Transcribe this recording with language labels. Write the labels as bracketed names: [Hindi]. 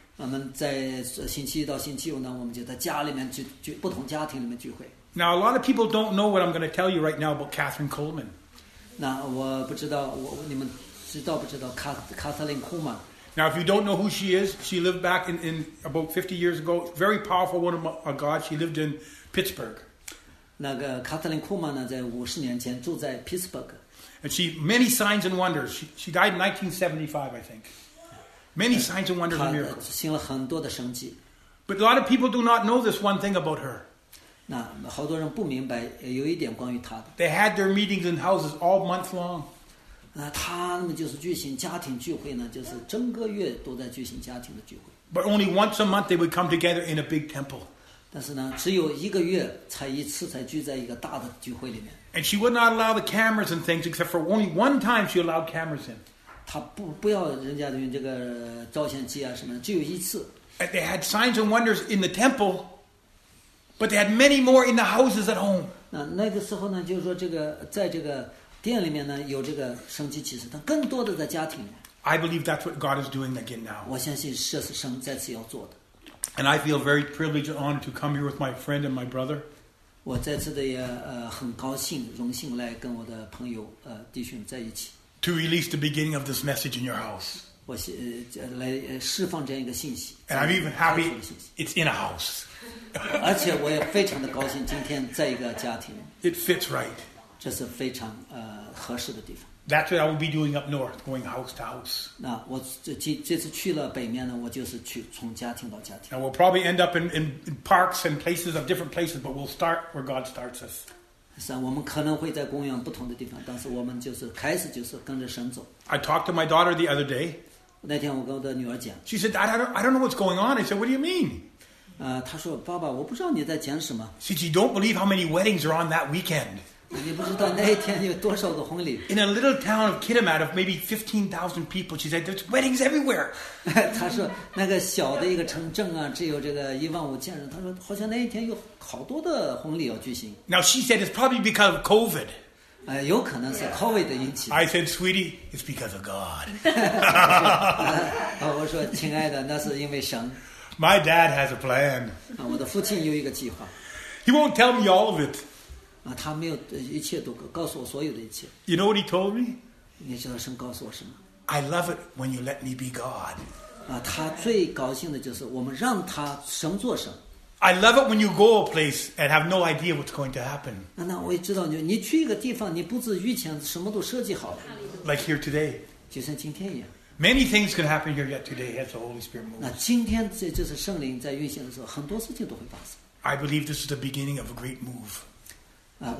[Chinese] 我们在星期一到星期五呢，我们就在家里面聚不同家庭里面聚会。 [English] Now a lot of people don't know what I'm going to tell you right now about Catherine Coleman. [Chinese] 那我不知道，你们知道不知道卡瑟琳·库曼？ [English] Now, if you don't know who she is, she lived back in about 50 years ago. Very powerful woman of God. She lived in Pittsburgh. [Chinese] 那个卡特琳·库曼呢，在五十年前住在 Pittsburgh. [English] And she many signs and wonders. She died in 1975, I think. Many signs and wonders and miracles. [Chinese] 她行了很多的神迹。 [English] But a lot of people do not know this one thing about her. [Chinese] 那好多人不明白有一点关于她的。 [English] They had their meetings in houses all month long. [Chinese] 那他们就是举行家庭聚会呢，就是整个月都在举行家庭的聚会。 [English] But only once a month they would come together in a big temple. [Chinese] 但是呢，只有一个月才一次才聚在一个大的聚会里面。 [English] And she would not allow the cameras and things except for only one time she allowed cameras in. [Chinese] 她不要人家用这个照相机啊什么的，只有一次。 [English] And they had signs and wonders in the temple, but they had many more in the houses at home. [Chinese] 那个时候呢，就是说这个在这个。店里面呢有这个生机其实，但更多的在家庭里面。 [English] I believe that's what God is doing again now. [Chinese] 我相信这是神再次要做的。 [English] And I feel very privileged and honored to come here with my friend and my brother. [Chinese] 我再次的也很高兴，荣幸来跟我的朋友弟兄在一起。 [English] To release the beginning of this message in your house. [Chinese] 我来释放这样一个信息。 [English] And I'm even happy it's in a house. [Chinese] 而且我也非常的高兴今天在一个家庭。 [English] It fits right. [Chinese] 这是非常合适的地方。 [English] That's what I will be doing up north, going house to house. [Chinese] 那我这次去了北面呢，我就是去从家庭到家庭。 [English] And we'll probably end up in parks and places of different places, but we'll start where God starts us. [Chinese] 是啊，我们可能会在公园不同的地方，但是我们就是开始就是跟着神走。 [English] I talked to my daughter the other day. [Chinese] 那天我跟我的女儿讲。 [English] She said, I don't know what's going on. I said, what do you mean? [Chinese] 她说，爸爸，我不知道你在讲什么。 [English] She said, you don't believe how many weddings are on that weekend. [Chinese] 你不知道那一天有多少个婚礼。 [English] In a little town of Kitimat of maybe 15,000 people, she said, there's weddings everywhere. [Chinese] 她说那个小的一个城镇啊，只有这个一万五千人。她说好像那一天有好多的婚礼要举行。 [English] Now she said it's probably because of COVID. [Chinese] 有可能是 COVID 的引起。 [English] I said, sweetie, it's because of God. [Chinese] 我说亲爱的，那是因为神。 [English] My dad has a plan. [Chinese] 我的父亲有一个计划。 [English] He won't tell me all of it. [Chinese] 他没有一切都告诉我所有的一切。 [English] You know what he told me? [Chinese] 你知道神告诉我什么 [English] ？I love it when you let me be God. [Chinese] 他最高兴的就是我们让他神做神。 [English] I love it when you go a place and have no idea what's going to happen. [Chinese] 那我也知道你去一个地方，你不知预前什么都设计好了。 [English] Like here today. [Chinese] 就像今天一样。 [English] Many things can happen here yet today as the Holy Spirit moves. [Chinese] 那今天这就是圣灵在运行的时候，很多事情都会发生。 [English] I believe this is the beginning of a great move.